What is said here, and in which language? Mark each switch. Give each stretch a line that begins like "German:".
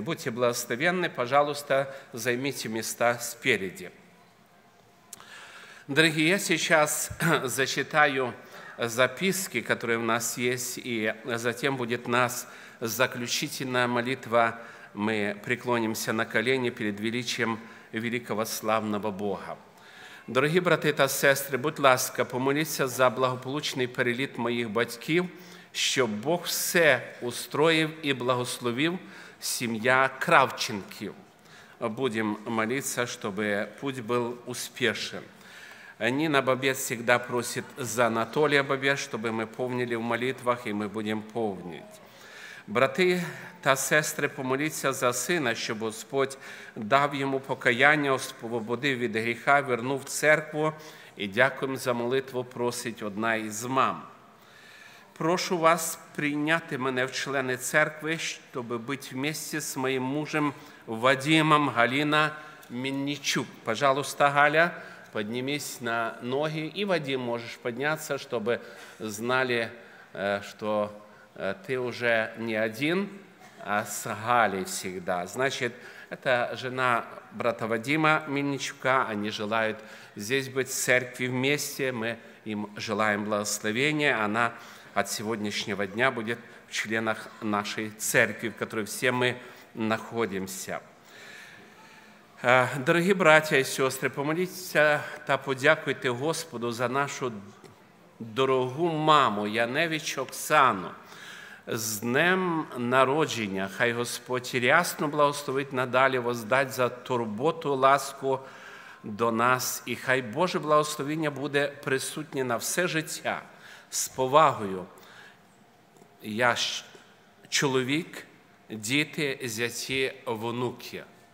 Russian: Будьте благословенны, пожалуйста, займите места спереди. Дорогие, я сейчас зачитаю записки, которые у нас есть, и затем будет у нас заключительная молитва. Мы преклонимся на колени перед величием великого славного Бога.
Ukrainian: Дорогі брати та сестри, будь ласка, помоліться за благополучний переліт моїх батьків, щоб Бог все устроїв і благословив сім'я Кравченків. Будемо молитися, щоб путь був успішен. Ніна Бабець завжди просить за Анатолія Бабець, щоб ми повнили в молитвах, і ми будемо повнити. Брати та сестри, помоліться за сина, щоб Господь дав йому покаяння, освободив від гріха, вернув церкву. І дякуємо за молитву, просить одна із мам. Прошу вас прийняти мене в члени церкви, щоб бути в місті з моїм мужем Вадимом Галіна Мінничук.
Russian: Пожалуйста,
Ukrainian: Галя, піднімись на ноги. І Вадим, можеш піднятися, щоб знали, що ти вже не один,
Russian: а с Галей всегда. Значит, это жена брата Вадима Мельничука, они желают здесь быть в церкви вместе, мы им желаем благословения, она от сегодняшнего дня будет в членах нашей церкви, в которой все мы находимся. Дорогие братья и сестры, помолитесь
Ukrainian: та подякуйте Господу за нашу дорогу маму Яневич Оксану. З днем народження, хай Господь рясно благословить надалі, воздать за турботу, ласку до нас, і хай Боже благословення буде присутнє на все життя. З повагою, я ж чоловік, діти, зяті, внуки.